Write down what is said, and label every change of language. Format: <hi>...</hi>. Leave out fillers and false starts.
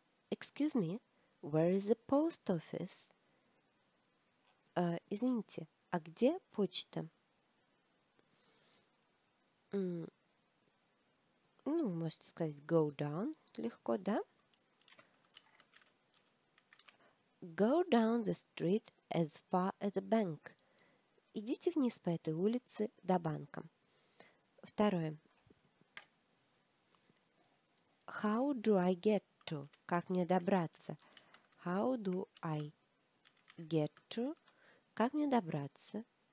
<en>Excuse me, where is the post office?</en> <ru>Извините, а где почта? Ну, вы можете сказать</ru> <en>go down</en> <ru>легко, да?</ru> <en>Go down the street as far as the bank.</en> <ru>Идите вниз по этой улице до банка. Второе.</ru> <en>How do I get to?</en> <ru>Как мне добраться?</ru> <en>How do I get to?</en> <ru>Как мне добраться?</ru>